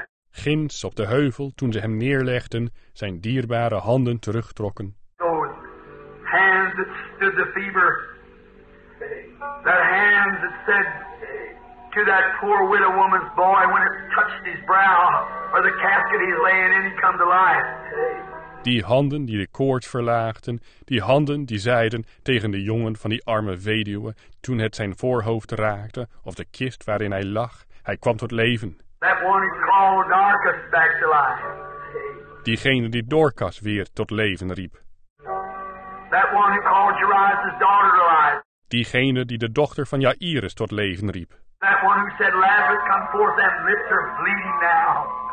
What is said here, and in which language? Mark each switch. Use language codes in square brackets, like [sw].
[nl] Ginds op de heuvel, toen ze hem neerlegden, zijn dierbare handen terugtrokken. [en] Those hands that stood the fever. That hands that said to that poor widow woman's boy when it touched his brow. Or the casket he's laying in, he comes alive. [nl] Die handen die de koorts verlaagden, die handen die zeiden tegen de jongen van die arme weduwe, toen het zijn voorhoofd raakte, of de kist waarin hij lag, hij kwam tot leven. [en] That one who called Dorcas back to life. [nl] Diegene die Dorcas weer tot leven riep. [en] That one who called Jairus' daughter to life. [nl] Diegene die de dochter van Jairus tot leven riep. [en] That one who said, Lazarus, come forth, that lips are bleeding now.